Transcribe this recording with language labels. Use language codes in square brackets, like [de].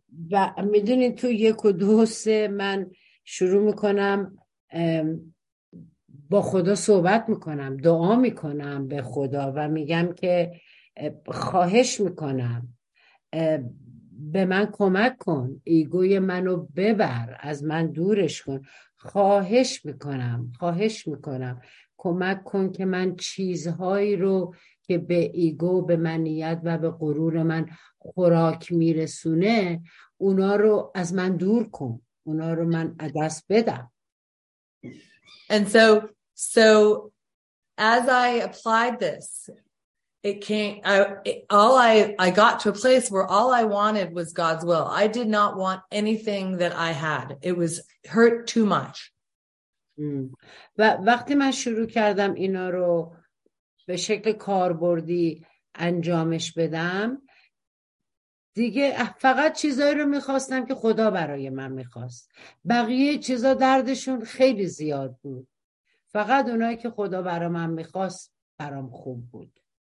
[fa] و میدونید تو یک و دو و سه من شروع میکنم با خدا صحبت میکنم، دعا میکنم به خدا و میگم که خواهش میکنم به من کمک کن، ایگوی منو ببر، از من دورش کن، خواهش میکنم کمک کن که من چیزهایی رو که به ایگو، به منیت و به غرور من خوراک میرسونه اونا رو از من دور کن، اونا رو من از دست بدم. [en] And so as I applied this, I got to a place where all I wanted was God's will. I did not want anything that I had. It was hurt too much. [fa] و وقتی من شروع کردم اینا رو به شکل کاربردی انجامش بدم، دیگه فقط چیزایی رو میخواستم که خدا برای من میخواست، بقیه چیزا دردشون خیلی زیاد بود، فقط اونایی که خدا برای من میخواست برام خوب بود.